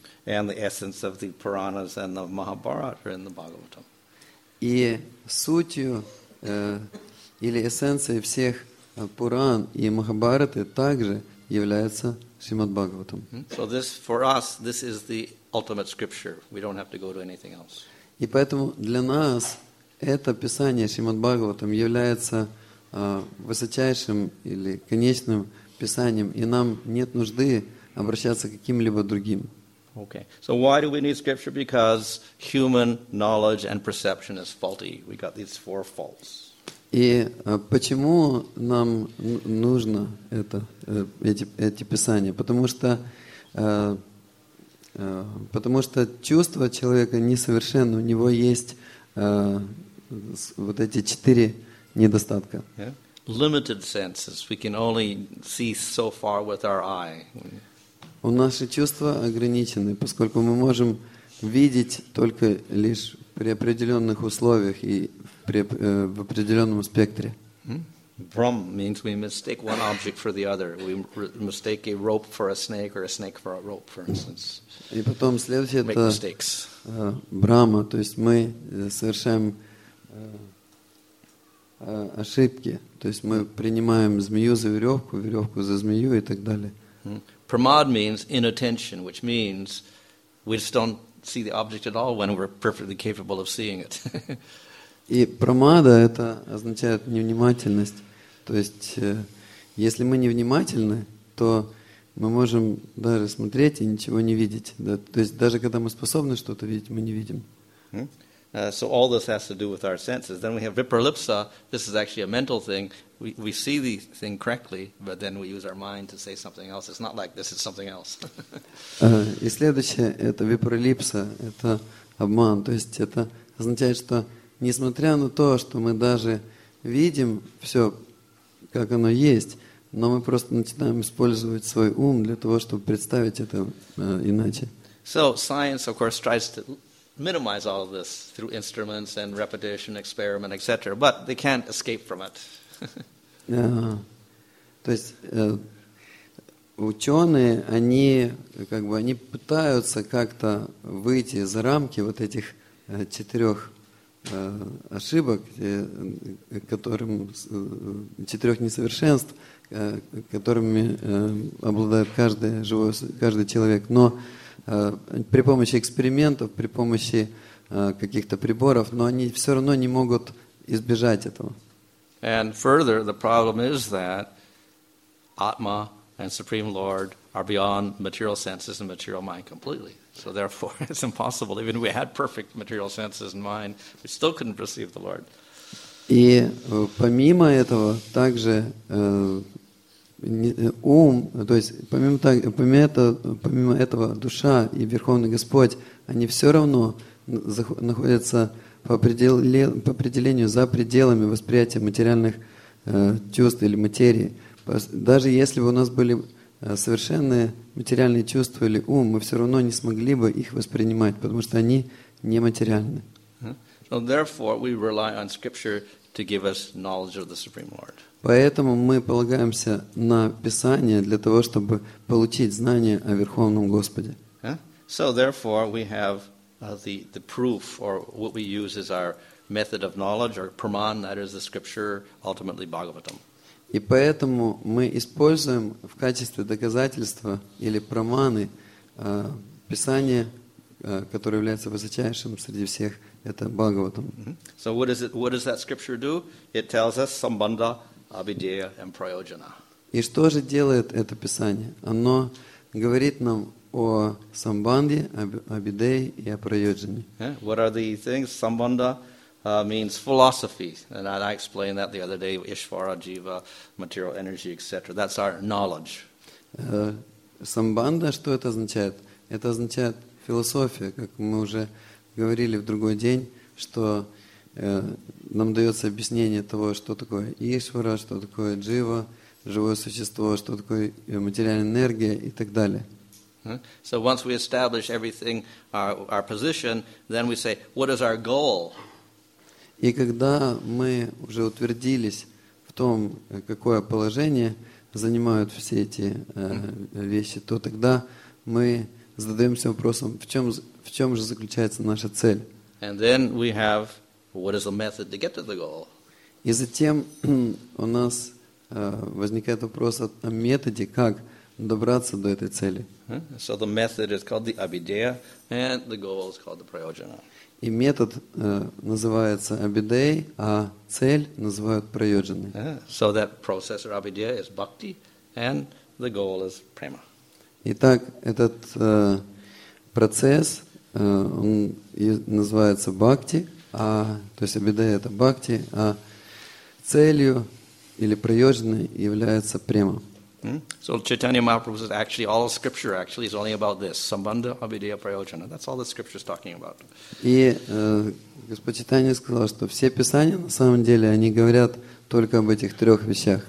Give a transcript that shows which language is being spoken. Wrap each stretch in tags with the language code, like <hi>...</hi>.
<en>And the essence of the Puranas and the Mahabharata are in the Bhagavatam.</en> <ru>И сутью или эссенцией всех Пуран и Махабхараты также является Шримад-Бхагаватам.</ru> <en>So this, for us, this is the ultimate scripture. We don't have to go to anything else.</en> <ru>И поэтому для нас это писание Шримад-Бхагаватам является высочайшим или конечным писанием, и нам нет нужды обращаться к каким-либо другим.</ru> <en>Okay. So why do we need scripture? Because human knowledge and perception is faulty. We got these four faults.</en> <ru>И почему нам нужно это, эти писания? Потому что чувство человека несовершенно, у него есть вот эти четыре недостатка.</ru> <en>Limited senses. We can only see so far with our eye.</en> <ru>У нас чувства ограничены, поскольку мы можем видеть только лишь при определенных условиях и в определенном спектре.</ru> <en>Brahm means we mistake one object for the other. We mistake a rope for a snake or a snake for a rope, for instance.</en> <ru>И потом следующее</ru> <en>make</en> <ru>это</ru> <en>mistakes.</en> <ru>Брама, то есть мы совершаем ошибки, то есть мы принимаем змею за веревку, веревку за змею и так далее.</ru> <en>Pramad means inattention, which means we just don't see the object at all when we're perfectly capable of seeing it.</en> <ru>И прамада – это означает невнимательность. То есть, если мы невнимательны, то мы можем даже смотреть и ничего не видеть. Да? То есть, даже когда мы способны что-то видеть, мы не видим.</ru> <en>So all this has to do with our senses. Then we have viparlipsa. This is actually a mental thing. We see the thing correctly, but then we use our mind to say something else. It's not like this is something else.</en> <ru>И следующее – это виперлипса, это обман. То есть это означает, что несмотря на то, что мы даже видим все, как оно есть, но мы просто начинаем использовать свой ум для того, чтобы представить это иначе.</ru> <en>So science, of course, tries to minimize all of this through instruments and repetition, experiment, etc. But they can't escape from it.</en> <ru>То есть ученые, они как бы они пытаются как-то выйти за рамки вот этих четырех ошибок, которым четырех несовершенств, которыми обладает каждый человек, но при помощи экспериментов, при помощи каких-то приборов, но они все равно не могут избежать этого.</ru> <en>And further, the problem is that Atma and Supreme Lord are beyond material senses and material mind completely. So therefore, it's impossible. Even if we had perfect material senses and mind, we still couldn't perceive the Lord.</en> <ru>И помимо этого, также ум, то есть помимо этого, душа и Верховный Господь, они все равно находятся по определению за пределами восприятия материальных чувств или материи. Даже если бы у нас были совершенные материальные чувства или ум, мы все равно не смогли бы их воспринимать, потому что они нематериальны.</ru> <en>So therefore, we rely on scripture to give us knowledge of the Supreme Lord.</en> <ru>Поэтому мы полагаемся на Писание для того, чтобы получить знание о Верховном Господе.</ru> <en>So therefore, we have the proof, or what we use is our method of knowledge, or praman, that is the scripture, ultimately Bhagavatam.</en> <ru>И поэтому мы используем в качестве доказательства или праманы Писание, которое является высочайшим среди всех, это Бхагаватам.</ru> <en>Mm-hmm. So what is it? What does that scripture do? It tells us sambandha, abhidhaya, and prayojana.</en> <ru>И что же делает это Писание? Оно говорит нам о самбанде, абидее и о прайоджане.</ru> <en>Yeah. What are the things? Sambandha means philosophy. And I explained that the other day, Ishvara, Jiva, material energy, etc. That's our knowledge.</en> <ru>Самбанда, что это означает? Это означает философия, как мы уже говорили в другой день, что нам дается объяснение того, что такое Ишвара, что такое Джива, живое существо, что такое материальная энергия и так далее.</ru> <en>So once we establish everything, our position, then we say, what is our goal?</en> <ru>И когда мы уже утвердились в том, какое положение занимают все эти вещи, то тогда мы задаемся вопросом, в чем же заключается наша цель?</ru> <en>And then we have, what is the method to get to the goal?</en> <ru>И затем у нас возникает вопрос о методе, как добраться до этой цели.</ru> <en>So the method is called the abhidhaya, and the goal is called the prayojana.</en> <ru>И метод называется абидей, а цель называют прайоджаной.</ru> <en>So that process or abhidhaya is bhakti, and the goal is prema.</en> <ru>Итак, этот процесс, он называется бхакти, то есть абидея это бхакти, а целью или прайоджаной является према.</ru> <en>So Chaitanya Mahaprabhu says, actually, all scripture actually is only about this. Sambandha, abhidhaya, prayojana. That's all the scripture is talking about.</en> <ru>И Господь Чайтанья сказал, что все писания, на самом деле, они говорят только об этих трех вещах.</ru>